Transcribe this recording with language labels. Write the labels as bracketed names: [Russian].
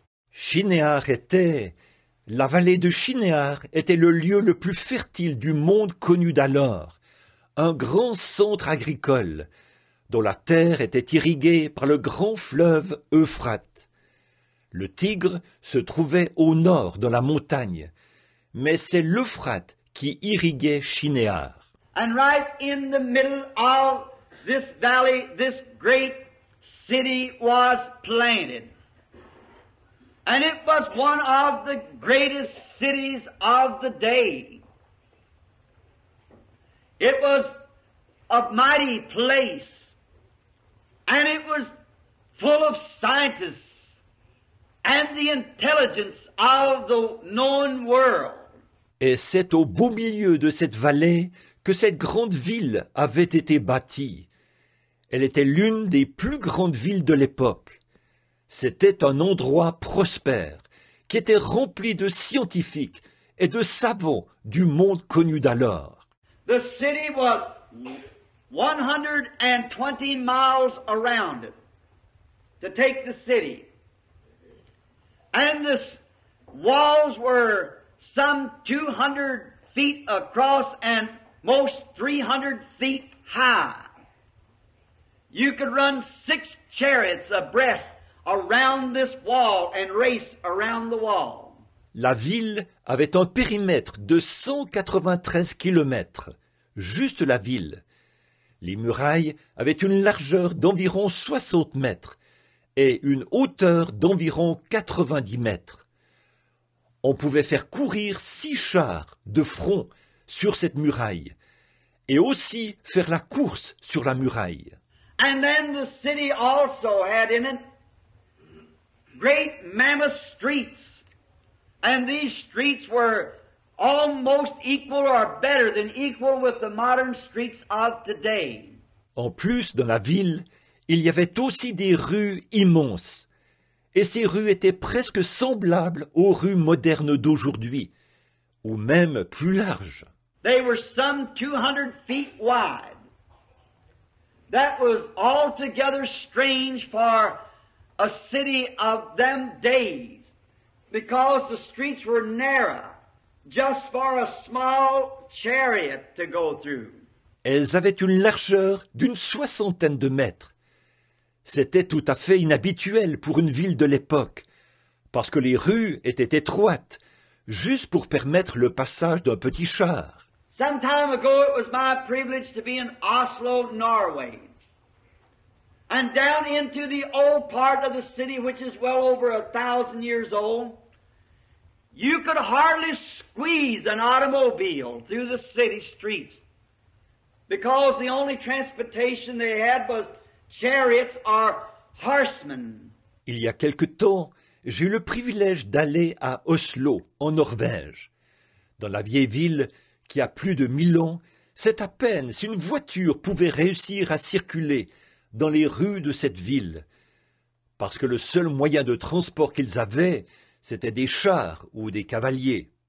[French] Shinéar était, la vallée de Shinéar était le lieu le plus fertile du monde connu d'alors, un grand centre agricole, dont la terre était irriguée par le grand fleuve Euphrate. Le Tigre se trouvait au nord dans la montagne, mais c'est l'Euphrate qui irriguait Shinéar. [English] And right in the middle of this valley, this great city was planted. And it was one of the greatest cities of the day. It was a mighty place. And it was full of scientists and the intelligence of the known world. [French] Et c'est au beau milieu de cette vallée que cette grande ville avait été bâtie. Elle était l'une des plus grandes villes de l'époque. C'était un endroit prospère, qui était rempli de scientifiques et de savants du monde connu d'alors. [English] The city was 120 miles around it, to take the city. And the walls were some 200 feet across and most 300 feet high. You could run 6 chariots abreast around this wall and race around the wall. [French] La ville avait un périmètre de 193 kilomètres, juste la ville. Les murailles avaient une largeur d'environ 60 mètres et une hauteur d'environ 90 mètres. On pouvait faire courir 6 chars de front sur cette muraille et aussi faire la course sur la muraille. [English] And then the city also had in it great mammoth streets, and these streets were almost equal or better than equal with the modern streets of today. [French] En plus, dans la ville, il y avait aussi des rues immenses, et ces rues étaient presque semblables aux rues modernes d'aujourd'hui, ou même plus larges. [English] They were some 200 feet wide. That was altogether strange for a city of them days, because the streets were narrow, just for a small chariot to go through. [French] Elles avaient une largeur d'une soixantaine de mètres. C'était tout à fait inhabituel pour une ville de l'époque, parce que les rues étaient étroites, juste pour permettre le passage d'un petit char. [English] Some time ago, it was my privilege to be in Oslo, Norway. And down into the old part of the city, which is well over 1,000 years old, you could hardly squeeze an automobile through the city streets because the only transportation they had was chariots or horsemen. [French] Il y a quelque temps, j'ai eu le privilège d'aller à Oslo, en Norvège. Dans la vieille ville qui a plus de 1000 ans, c'est à peine si une voiture pouvait réussir à circuler dans les rues de cette ville, parce que le seul moyen de transport qu'ils avaient, c'était des chars ou des cavaliers.